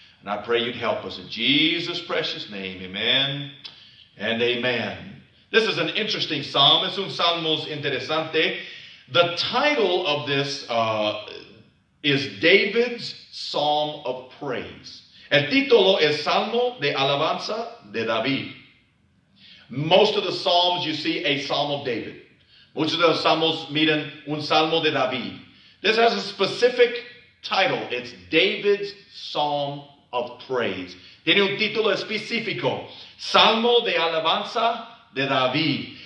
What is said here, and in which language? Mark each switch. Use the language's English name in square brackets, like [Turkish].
[English] And I pray you'd help us in Jesus' precious name. Amen and amen. This is an interesting psalm. [Spanish] Es un salmo interesante. [English] The title of this is David's Psalm of Praise. [Spanish] El título es Salmo de Alabanza de David. [English] Most of the psalms you see a Psalm of David. [Spanish] Muchos de los salmos miran un Salmo de David. [English] This has a specific title. It's David's Psalm of Praise. [Spanish] Tiene un título específico. Salmo de Alabanza de David.